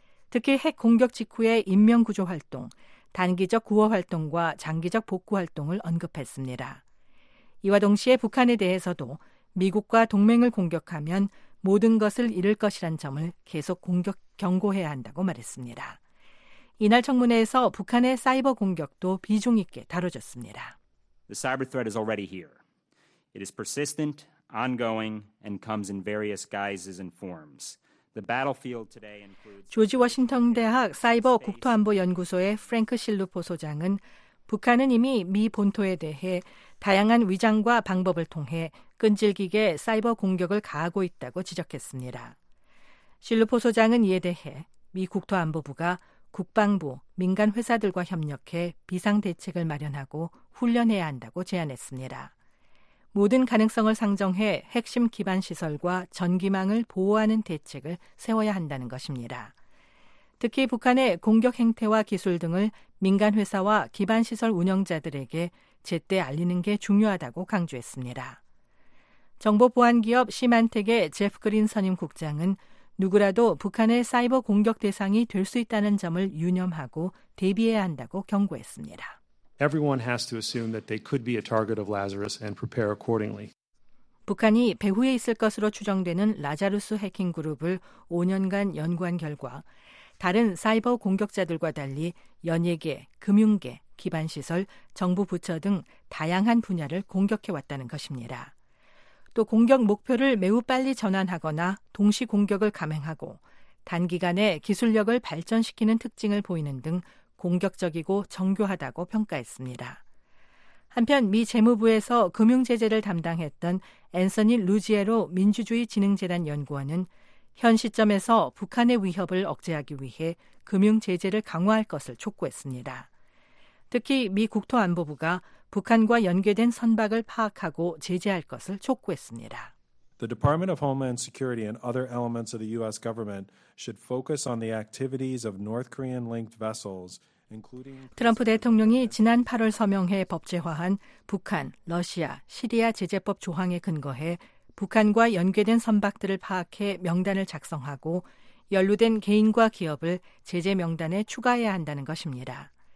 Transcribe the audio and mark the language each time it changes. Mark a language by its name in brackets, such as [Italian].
[Korean] 특히 핵 공격 직후의 인명구조 활동, 단기적 구호 활동과 장기적 복구 활동을 언급했습니다. 이와 동시에 북한에 대해서도 미국과 동맹을 공격하면 모든 것을 잃을 것이란 점을 계속 경고해야 한다고 말했습니다. 이날 청문회에서 북한의 사이버 공격도 비중 있게 다뤄졌습니다. [English] The cyber threat is already here. It is persistent, ongoing, and comes in various guises and forms. The battlefield today includes. [Korean] 조지 워싱턴 대학 사이버 국토안보 연구소의 프랭크 실루포 소장은 북한은 이미 미 본토에 대해 다양한 위장과 방법을 통해 끈질기게 사이버 공격을 가하고 있다고 지적했습니다. 실루포 소장은 이에 대해 미 국토안보부가 국방부, 민간 회사들과 협력해 비상 대책을 마련하고 훈련해야 한다고 제안했습니다. 모든 가능성을 상정해 핵심 기반 시설과 전기망을 보호하는 대책을 세워야 한다는 것입니다. 특히 북한의 공격 행태와 기술 등을 민간 회사와 기반 시설 운영자들에게 제때 알리는 게 중요하다고 강조했습니다. 정보보안기업 시만텍의 제프 그린 선임 국장은 누구라도 북한의 사이버 공격 대상이 될 수 있다는 점을 유념하고 대비해야 한다고 경고했습니다. [English] Everyone has to assume that they could be a target of Lazarus and prepare accordingly. [Korean] 북한이 배후에 있을 것으로 추정되는 라자루스 해킹 그룹을 5년간 연구한 결과 다른 사이버 공격자들과 달리 연예계, 금융계, 기반시설, 정부 부처 등 다양한 분야를 공격해왔다는 것입니다. 또 공격 목표를 매우 빨리 전환하거나 동시 공격을 감행하고 단기간에 기술력을 발전시키는 특징을 보이는 등 공격적이고 정교하다고 평가했습니다. 한편 미 재무부에서 금융 제재를 담당했던 앤서니 루지에로 민주주의 진흥재단 연구원은 현 시점에서 북한의 위협을 억제하기 위해 금융 제재를 강화할 것을 촉구했습니다. 특히 미 국토안보부가 북한과 연계된 선박을 파악하고 제재할 것을 촉구했습니다. [English] The Department of Homeland Security and other elements of the U.S. government should focus on the activities of North Korean-linked vessels, including. [Korean] 트럼프 대통령이 지난 8월 서명해 법제화한 북한, 러시아, 시리아 제재법 조항에 근거해 북한과 연계된 선박들을 파악해 명단을 작성하고 연루된 개인과 기업을 제재 명단에 추가해야 한다는 것입니다.